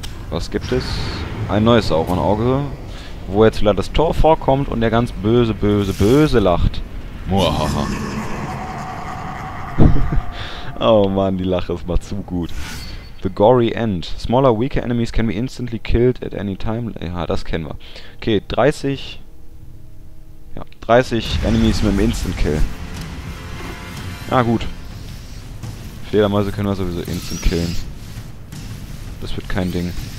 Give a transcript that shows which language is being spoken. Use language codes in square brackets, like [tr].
[de] Was gibt es? Ein neues Sauron-Auge, wo jetzt wieder das Tor vorkommt und der ganz böse, böse, böse lacht. Muahaha. Oh man, die Lache ist mal zu gut. [en] The Gory End. Smaller, weaker enemies can be instantly killed at any time. [de] Ja, das kennen wir. Okay, 30... Ja, 30 enemies mit dem Instant-Kill. Na gut. Fledermäuse können wir sowieso instant-killen. Das wird kein Ding.